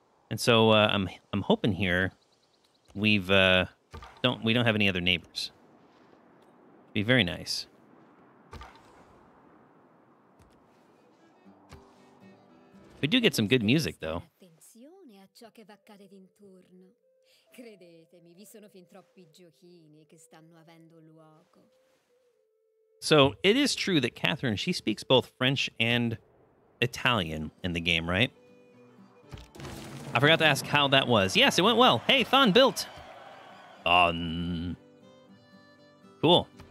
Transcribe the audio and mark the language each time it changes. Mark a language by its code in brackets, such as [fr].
[en] And so I'm hoping here we don't have any other neighbors. Be very nice. We do get some good music though. [it] Attenzione a ciò che va accade intorno. Credetemi, vi sono fin troppi giochini che stanno avendo luogo. [en] So it is true that Catherine, she speaks both French and Italian in the game, right? I forgot to ask how that was. Yes, it went well. Hey, Thon built. Thon. Cool.